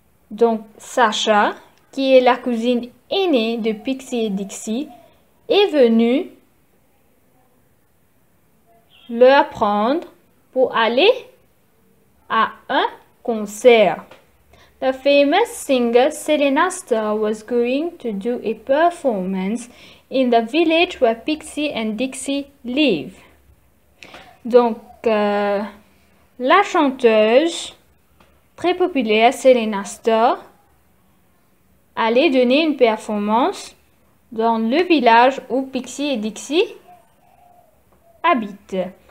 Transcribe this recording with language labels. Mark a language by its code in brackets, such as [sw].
[fr] Donc, Sasha, qui est la cousine aînée de Pixie et Dixie, est venue leur prendre pour aller à un concert. [en] The famous singer Selena Starr was going to do a performance in the village where Pixie and Dixie live. [fr] Donc, la chanteuse très populaire Selena Starr aller donner une performance dans le village où Pixie et Dixie habitent.